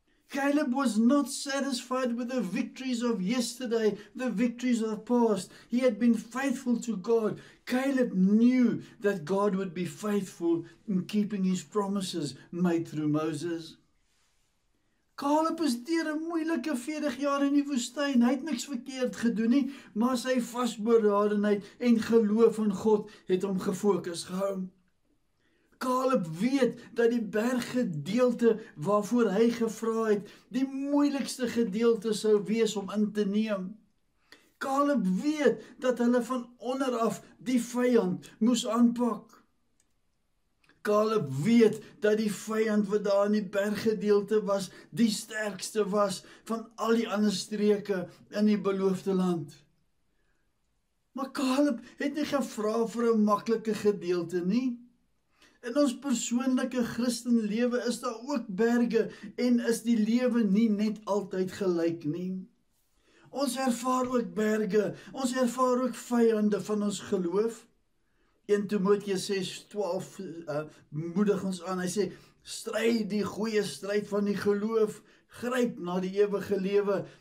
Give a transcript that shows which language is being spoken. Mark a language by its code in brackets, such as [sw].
[en] Caleb was not satisfied with the victories of yesterday, the victories of the past. He had been faithful to God. Caleb knew that God would be faithful in keeping his promises made through Moses. [af] Caleb is deur 'n moeilike 40 jaar in die woestyn. Hy het niks verkeerd gedoen nie, maar sy vasberadenheid en geloof in God het hom gefokus gehou. Caleb weet dat die berggedeelte waarvoor hy gevra het, die moeilikste gedeelte sou wees om in te neem. Caleb weet dat hulle van onder af die vyand moes aanpak. Caleb weet dat die vyand wat daar in die berggedeelte was, die sterkste was van al die ander streke in die beloofde land. Maar Caleb het nie gevra vir 'n maklike gedeelte nie. In ons persoonlike Christenlewe is daar ook berge en is die lewe nie net altyd gelyk nie. Ons ervaar ook berge, ons ervaar ook vyande van ons geloof. 1 Timoteus 6:12 moedig ons aan. Hy sê: "Stry die goeie stryd van die geloof, gryp na die ewige lewe.